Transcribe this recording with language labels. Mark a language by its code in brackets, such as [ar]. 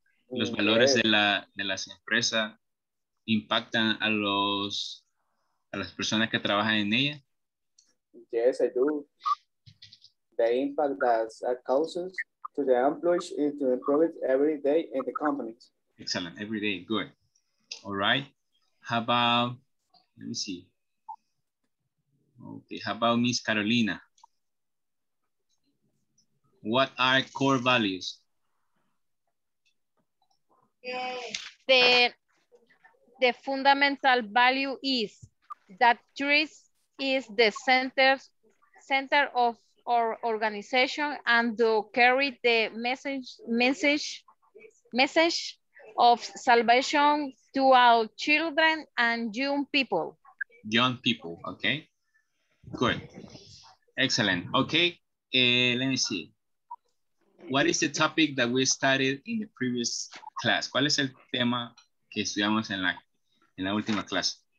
[es] ¿Los valores de las empresas impactan a las personas que trabajan en ella? [en] Yes, I do. The impact that causes to the employees and to improve it every day in the companies. Excellent. Every day. Good. All right. How about, let me see. Okay, how about Miss Carolina? What are core values? The fundamental value is that trees is the center of our organization and to carry the message of salvation to our children and young people. Young people, okay. Good. Excellent. Okay. Let me see. What is the topic that we studied in the previous class? [es] ¿Cuál es el tema que estudiamos en la última clase?